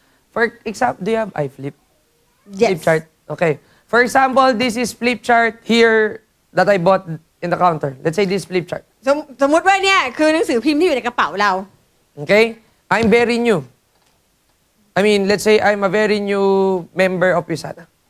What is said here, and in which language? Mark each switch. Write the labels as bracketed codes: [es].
[en] For example, do you have iFlip? Yes. Flip chart. Okay. For example, this is flip chart here that I bought in the counter. Let's say this flip chart. [th] สมมติว่าเนี่ยคือหนังสือพิมพ์ที่อยู่ในกระเป๋าเรา [en] Okay. I'm very new. I mean, let's say I'm a very new member of USANA.